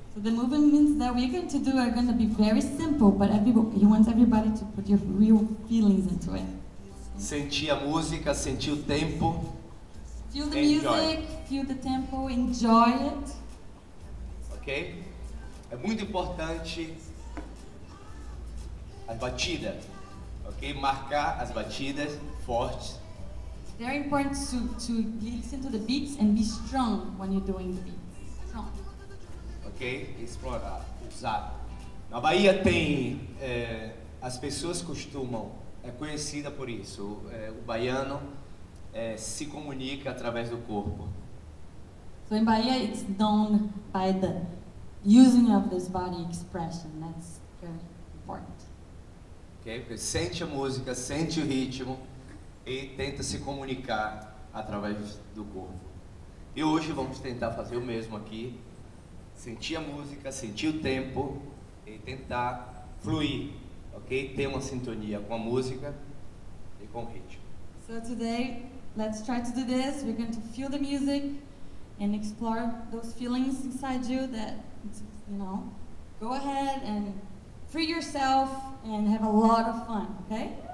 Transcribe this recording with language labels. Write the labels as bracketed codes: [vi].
[en] So the movements that we're going to do are going to be very simple, but everyone wants everybody to put your real feelings into it. [pt] Sentir a música, sentir o tempo. [en] Feel the music, feel the tempo, enjoy it. Ok? [pt] É muito importante a batida, ok? Marcar as batidas fortes. [en] Very important to listen to the beats and be strong when you're doing the beats. Strong. [pt] Ok? Explorar, usar. Na Bahia tem, as pessoas costumam, é conhecida por isso, o baiano se comunica através do corpo. [en] So in Bahia it's known by the using of this body expression, that's very important. [pt] Okay, porque sente a música, sente o ritmo e tenta se comunicar através do corpo. E hoje vamos tentar fazer o mesmo aqui, sentir a música, sentir o tempo e tentar fluir, ok? Ter uma sintonia com a música e com o ritmo. [en] So today, let's try to do this. We're going to feel the music and explore those feelings inside you that, you know, go ahead and free yourself and have a lot of fun, okay?